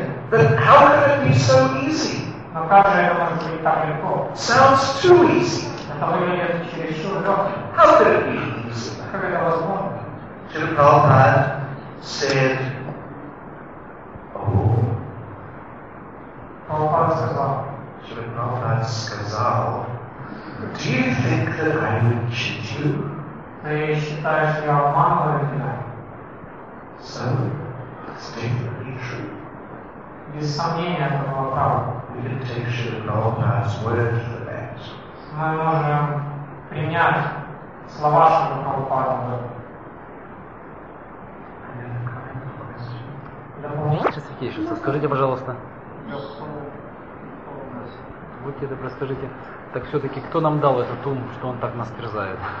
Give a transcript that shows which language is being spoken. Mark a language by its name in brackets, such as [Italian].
[English] But how could it be so easy? [Russian] Но как же это может быть так легко? [English] Sounds too easy. [Russian] Это выглядит чересчур легко. [English] How could it be easy? [Russian] Как это возможно? [English] Shri Prabhupada said, [Russian] Prabhupada сказал. [English] Shri Prabhupada [Russian] сказал, [English] do you think that I would cheat you? [Russian] Ты считаешь, что я обманываю тебя? [English] So, it's definitely true. [Russian] Без сомнения, это было правда. [English] We can take Shri Prabhupada's word for that. [Russian] Мы можем принять слова Шри Прабхупады. [English] And then a kind question. [Russian] Да, Сахиша, скажите, пожалуйста. Будьте добры, скажите. Так все-таки, кто нам дал этот ум, что он так нас терзает?